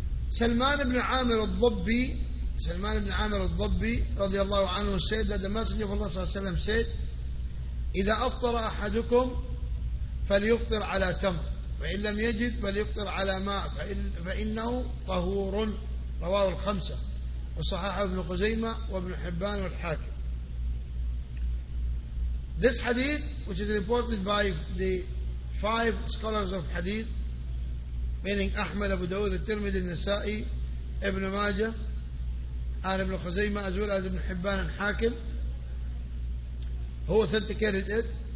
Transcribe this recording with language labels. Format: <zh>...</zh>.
<en>Salman ibn Amir al-Dhabi, Salman ibn Amir al-Dhabi, radiallahu anhu, said that the Messenger of Allah sallallahu alayhi wa sallam said,</en> <ar>إِذَا أَفْطَرَ أَحَدُكُمْ فَلْيُفْطِرْ عَلَى تَمْرٍ فَإِنْ لَمْ يَجِدْ فَلْيُفْطِرْ عَلَى مَاءٍ فَإِنَّهُ طَهُورٌ. رواه الخمسة وصححه ابن خزيمة وابن حبان والحاكم.</ar> <en>This hadith, which is reported by the five scholars of hadith, meaning Ahmad, Abu Dawud, al-Tirmidhi, al-Nasa'i, Ibn Majah, and Ibn Khuzaymah, as well as Ibn Hibban and Hakim, who authenticated it.</en>